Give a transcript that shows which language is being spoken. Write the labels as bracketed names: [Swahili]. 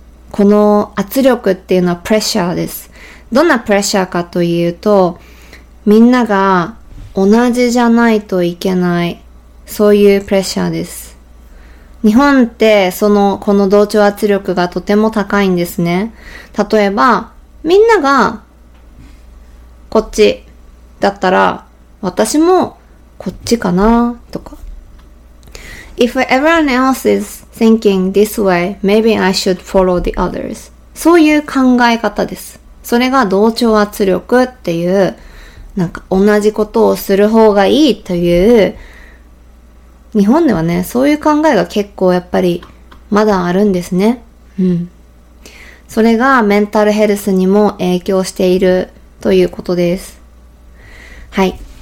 [Japanese] この圧力っていうのはプレッシャーです。どんなプレッシャーかというと、みんなが同じじゃないといけない、そういうプレッシャーです。日本って、この同調圧力がとても高いんですね。例えば、みんなが、こっち、だったら、私も、こっちかな、とか。 [English] If everyone else is thinking this way, maybe I should follow the others. [Japanese] そういう考え方です。それが同調圧力っていう、なんか、同じことをする方がいいという、日本ではね、そういう考えが結構やっぱりまだあるんですね。うん。それがメンタルヘルスにも影響しているということです。はい。